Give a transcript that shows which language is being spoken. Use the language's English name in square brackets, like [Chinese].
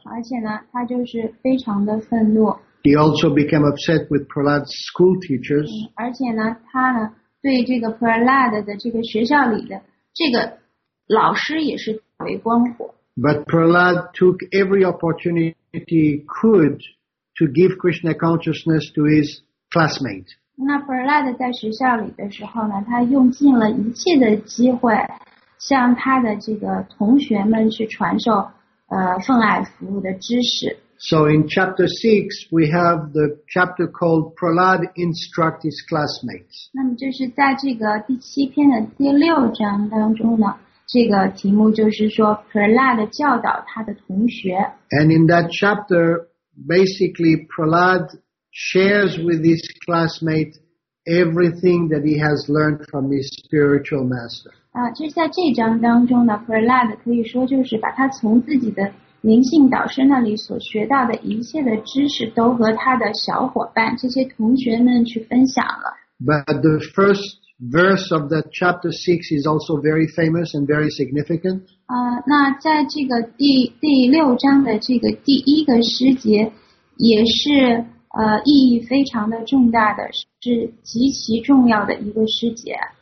[Chinese] 而且呢，他就是非常的愤怒。 [English] He also became upset with Prahlad's school teachers. [Chinese] 而且呢，他呢，对这个 Prahlad 的这个学校里的这个老师也是大为光火。 [English] But Prahlad took every opportunity he could to give Krishna consciousness to his classmate. [Chinese] 那 Prahlad 在学校里的时候呢，他用尽了一切的机会向他的这个同学们去传授奉爱服务的知识。 [English] So in chapter 6, we have the chapter called Prahlad Instruct His Classmates. [Chinese] 那么就是在这个第七篇的第六章当中呢，这个题目就是说 Prahlad 教导他的同学。 [English] And in that chapter, basically Prahlad shares with his classmate everything that he has learned from his spiritual master. [Chinese] 就是在这章当中呢， Prahlad 可以说就是把他从自己的灵性导师那里所学到的一切的知识都和他的小伙伴这些同学们去分享了。 [English] But the firstverse of that chapter 6 is also very famous and very significant. [Chinese] 那在这个第六章的这个第一个诗节也是意义非常的重大的，是极其重要的一个诗节。